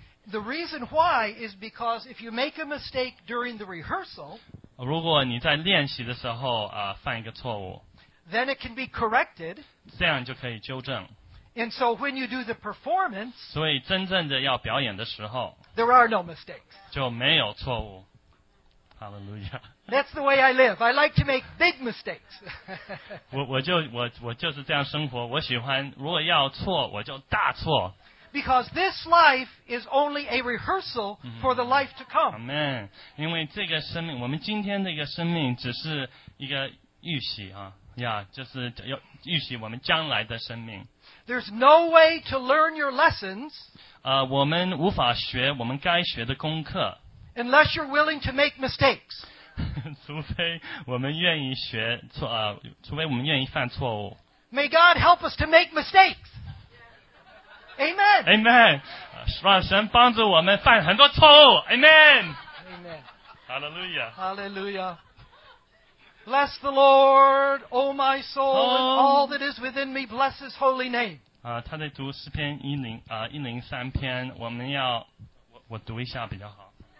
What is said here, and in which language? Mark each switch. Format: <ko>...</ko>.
<en>The reason why is because if you make a mistake during the rehearsal,</en> <zh>如果你在练习的时候犯一个错误</zh> <en>，then it can be corrected.</en> <zh>这样就可以纠正。</zh> <en>And so when you do the performance,</en> <zh>所以真正的要表演的时候</zh> <en>，there are no mistakes.</en> <zh>就没有错误。Hallelujah.</zh> <en>That's the way I live. I like to make big mistakes.</en> <zh>我就是这样生活。我喜欢如果要错，我就大错。</zh> <en>Because this life is only a rehearsal for the life to come. Amen.</en> <zh>因为这个生命，我们今天的一个生命只是一个预习啊，呀，就是要预习我们将来的生命。</zh> <en>There's no way to learn your lessons.</en> <zh>我们无法学我们该学的功课。</zh> <en>Unless you're willing to make mistakes.</en> <zh>除非我们愿意学错啊，除非我们愿意犯错误。</zh> <en>May God help us to make mistakes. Amen.</en> <zh>Amen. 让神帮助我们犯很多错误。Amen.</zh> <en>Amen. Hallelujah. Hallelujah. Bless the Lord, O my soul, and all that is within me, bless His holy name.</en> <zh>他在读诗篇一零三篇，我们要我读一下比较好。</zh>